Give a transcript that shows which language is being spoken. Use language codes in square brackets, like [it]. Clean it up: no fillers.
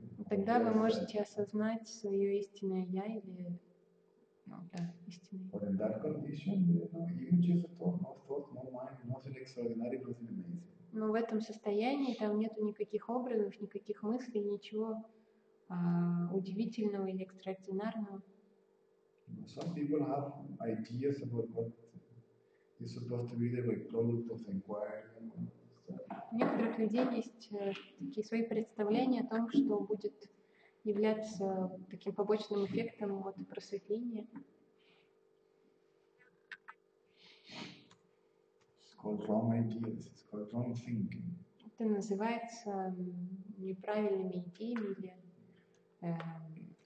[ru] Тогда вы можете осознать свое истинное «я» или ну, да, истинное [en] «я». In that condition, images at all, no thought, no mind, nothing extraordinary, nothing amazing. [ru] Но в этом состоянии там нету никаких образов, никаких мыслей, ничего удивительного или экстраординарного. [en] Some people have ideas about what is supposed to be the product of inquiry. [ru] У некоторых людей есть такие свои представления о том, что будет являться таким побочным эффектом от просветления. Это называется неправильными идеями или